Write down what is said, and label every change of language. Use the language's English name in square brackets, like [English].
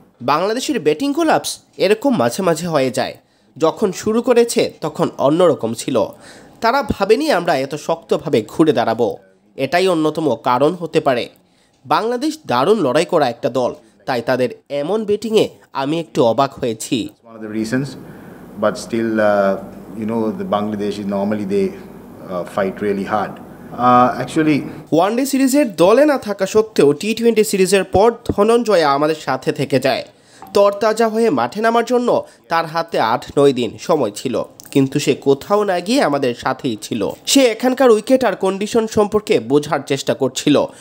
[Bangla] বাংলাদেশের batting collapse এরকম মাঝে মাঝে হয়ে যায়। যখন শুরু করেছে তখন অন্যরকম ছিল। তারা ভাবেনি আমরা এত শক্তভাবে ঘুরে দাঁড়াবো। এটাই অন্যতম কারণ হতে পারে। বাংলাদেশ দারুণ লড়াই করা একটা দল, তাই তাদের এমন ব্যাটিংয়ে আমি একটু অবাক হয়েছি। [English] One of the reasons, but still, you know, the Bangladesh is normally they fight really hard. Actually, [Bangla] one day সিরিজের দলে না থাকা সত্ত্বেও টি টোয়েন্টি সিরিজের পর ধনঞ্জয় আমাদের সাথে থেকে যায়। তরতাজা হয়ে মাঠে নামার জন্য তার হাতে 8-9 দিন সময় ছিল, কিন্তু সে কোথাও না গিয়ে আমাদের সাথেই ছিল। সে এখানকার উইকেট আর কন্ডিশন সম্পর্কে বোঝার চেষ্টা করছিল।